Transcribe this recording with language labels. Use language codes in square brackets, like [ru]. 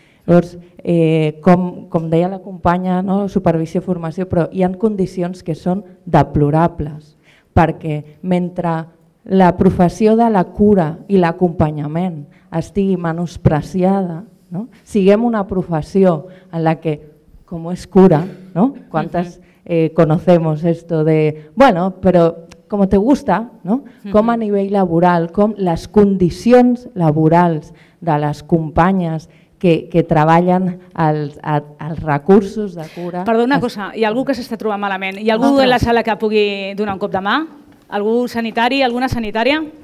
[ca] Llavors, com deia la companya, no, supervisió, formació, però hi ha condicions que són deplorables, perquè mentre la professió de la cura i l'acompanyament estigui menospreciada, no? Siguem una professió en la que, com és cura, no? [es] Quantes conocemos esto de, bueno, pero como te gusta, no? [ca] Com a nivell laboral, com les condicions laborals de les companyes que treballen els recursos de cura. Perdona una cosa, hi ha algú que s'està trobant malament? Hi ha algú de la sala que pugui donar un cop de mà? Algú sanitari, alguna sanitària?